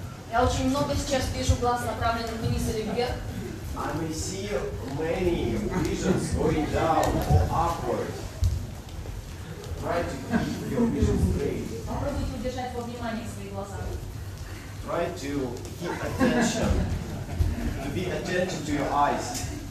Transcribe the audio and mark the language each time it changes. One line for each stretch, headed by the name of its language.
Russian: Я очень много сейчас вижу глаз, направленных вниз или вверх.
English: I may see many visions going down or upward. Try to keep your vision straight.
Russian: Попробуйте удержать во внимание свои глаза.
English: Try to keep attention. To be attentive to your eyes.